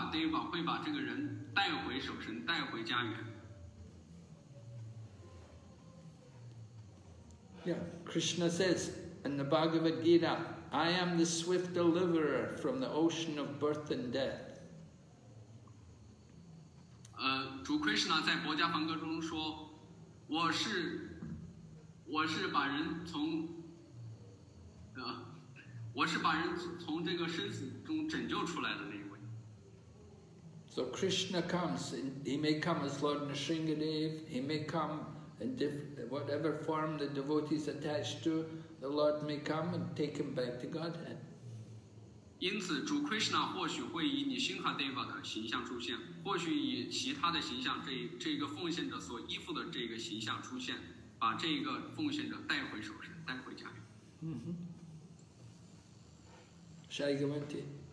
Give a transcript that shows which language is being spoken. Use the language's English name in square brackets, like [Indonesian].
[Chinese] 这意味着主尼辛哈得把这个人带回守神，带回家园。 [English] Yeah, Krishna says in the Bhagavad Gita, I am the swift deliverer from the ocean of birth and death. [Chinese] 主 Krishna 在《佛家梵歌》中说，我是把人从这个生死中拯救出来的那一位。 [English] So Krishna comes, he may come as Lord Nrisingadev, he may come in whatever form the devotee is attached to, the Lord may come and take him back to Godhead. [Chinese] 因此，主 Krishna 或许会以尼辛哈德瓦的形象出现，或许以其他的形象，这个奉献者所依附的这个形象出现，把这个奉献者带回守神，带回家。嗯哼。下一个问题。